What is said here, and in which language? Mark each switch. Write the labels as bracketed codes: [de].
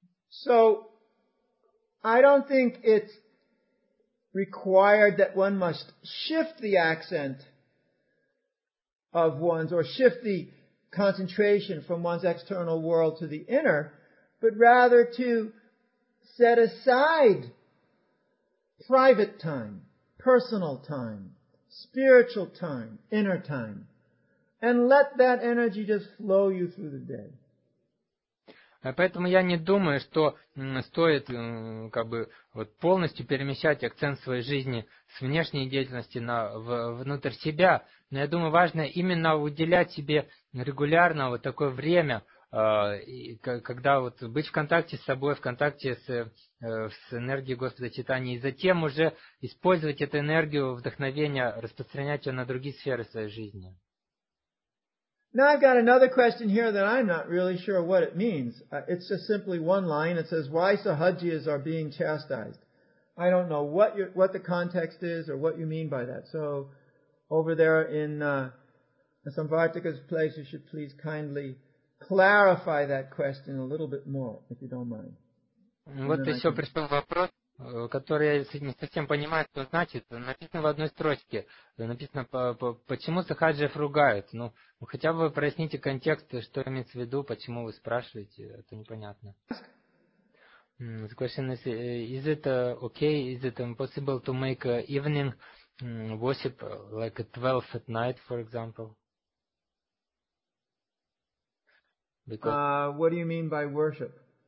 [en] So, I don't think it's required that one must shift the accent of one's, or shift the concentration from one's external world to the inner, but rather to set aside private time, personal time, spiritual time, inner time, and let that energy just flow you through the day. [ru] Поэтому я не думаю, что стоит как бы вот полностью перемещать акцент своей жизни с внешней деятельности на внутрь себя. Но я думаю, важно именно уделять себе регулярно вот такое время, когда вот быть в контакте с собой, в контакте с энергией Господа Чайтаньи, и затем уже использовать эту энергию вдохновения, распространять ее на другие сферы своей жизни. [en] Now I've got another question here that I'm not really sure what it means. It's just simply one line. It says, why sahajiyas are being chastised? I don't know what the context is or what you mean by that. So over there in Samvartika's place, you should please kindly clarify that question a little bit more, if you don't mind. [ru] Вот еще пришел вопрос, который я не совсем понимаю, что значит. Написано в одной строчке. Написано, почему сахаджиев ругают. Ну, хотя бы проясните контекст, что имеется в виду, почему вы спрашиваете, это непонятно. [en] The question is it okay, is it impossible to make evening worship like at 12 at night, for example? What do you mean by worship?